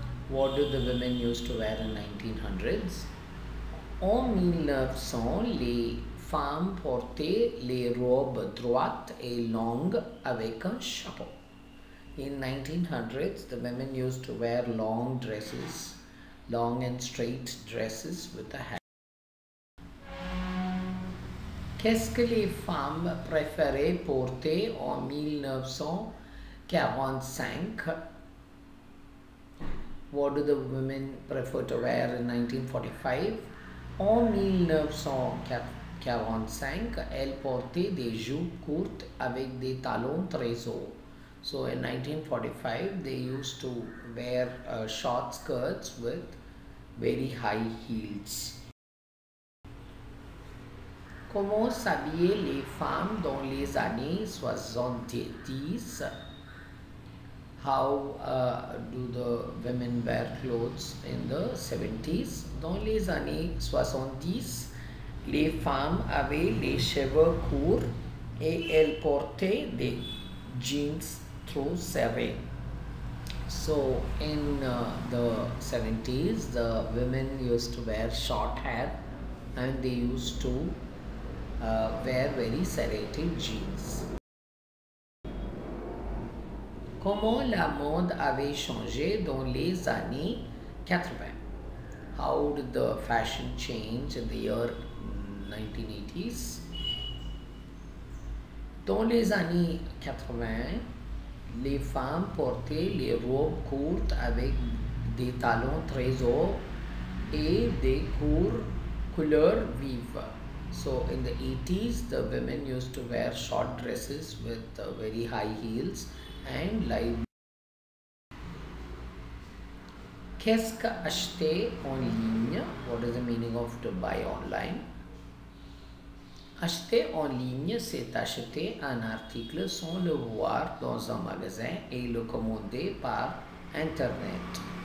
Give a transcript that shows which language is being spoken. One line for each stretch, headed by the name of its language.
English: What do the women used to wear in 1900s?
French: En 1900, les femmes portaient les robes droites et longues avec un chapeau.
English: In 1900s, the women used to wear long dresses, long and straight dresses with a hat.
French: Qu'est-ce que les femmes préféraient porter en 1945?
English: What do the women prefer to wear in 1945?
French: En 1945, elle portait des jupes courtes avec des talons très hauts.
English: So, in 1945, they used to wear short skirts with very high heels.
French: Comment s'habillaient les femmes dans les années 70?
English: How do the women wear clothes in the 70s?
French: Dans les années 70, les femmes avaient les cheveux courts et elles portaient des jeans trop serrés.
English: So, in the 70s, the women used to wear short hair and they used to wear very serrated jeans.
French: Comment la mode avait changé dans les années 80?
English: How did the fashion change in the year 1980s?
French: Dans les années 80, les femmes portaient les robes courtes avec des talons très hauts et des couleurs vives.
English: So, in the 80s, the women used to wear short dresses with very high heels and light.
French: Qu'est-ce que acheter en ligne?
English: What is the meaning of to buy online?
French: Acheter en ligne, c'est acheter un article sans le voir dans un magasin et le commander par Internet.